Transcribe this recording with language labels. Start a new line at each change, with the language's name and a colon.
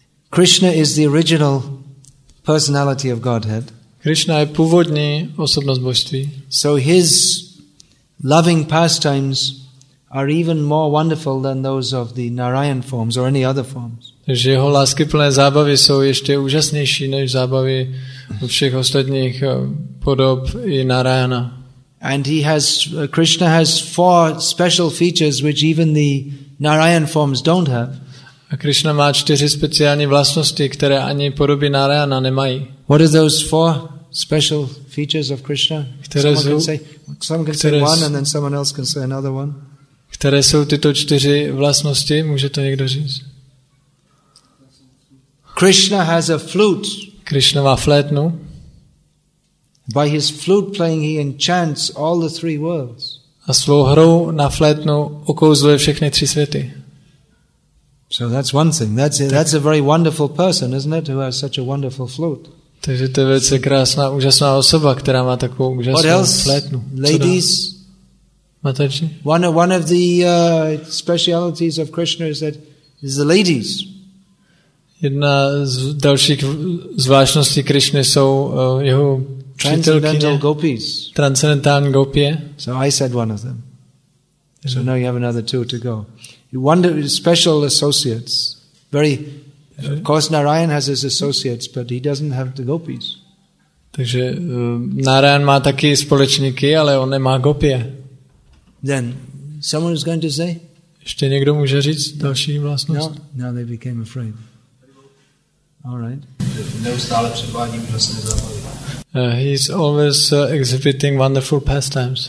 English: Krishna is the original personality of Godhead.
Czech: Krishna je původní osobnost božství.
English: So his loving pastimes are even more wonderful than those of the Narayan forms or any other forms.
Czech: Takže jeho láskyplné zábavy jsou ještě úžasnější než zábavy všech ostatních podob i Narayana.
English: And Krishna has four special features which even the Narayan forms don't have.
Czech: A Krishna má čtyři speciální vlastnosti, které ani podoby Narayana nemají.
English: What are those four special features of Krishna? Someone can say one and then someone else can say another one.
Czech: Které jsou tyto čtyři vlastnosti? Může to někdo říct?
English: Krishna has a flute.
Czech: Krishna má flétnu.
English: By his flute playing he enchants all the three worlds.
Czech: A svou hrou na flétnu okouzluje všechny tři světy.
English: So that's one thing. That's a very wonderful person, isn't it, who has such a wonderful flute.
Czech: Takže to je velice krásná, úžasná osoba, která má takovou úžasnou flétnu.
English: Ladies, Mataji? One of the specialities of Krishna is that is the ladies.
Czech: Jedna z dalších zvláštností Krishny jsou jeho přítelkyně.
English: Transcendental gopis. So I said one of them. So now you have another two to go. One special associates. Very, of course, Narayan has his associates, but he doesn't have the gopis.
Czech: Takže Narayan má taky společníky, ale on nemá gopie.
English: Then someone is going to say?
Czech: Ještě někdo může říct další vlastnost?
English: No, now they became afraid. All right.
Czech: Neustále předvádí úžasné zábavy.
English: He's always exhibiting wonderful pastimes.